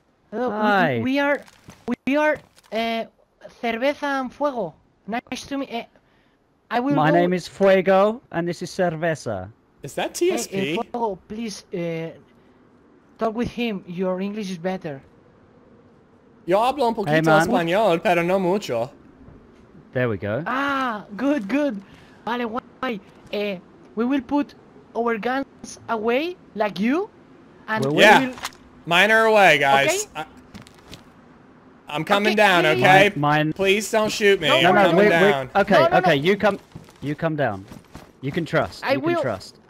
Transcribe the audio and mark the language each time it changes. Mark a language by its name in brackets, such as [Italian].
[English] Hello. Hi. We are Cerveza and Fuego. Nice to meet you. My name is Fuego, and this is Cerveza. Is that TSP? Fuego, please talk with him. Your English is better. [Spanish] Yo hablo un poquito español, pero no mucho. [English] There we go. Ah, good, good. Vale, why? We will put our guns away, like you, and yeah. We will... Mine are away, guys. Okay? I'm coming down, okay? Please don't shoot me. No, I'm coming down. Okay, you come down. You can trust. You can trust.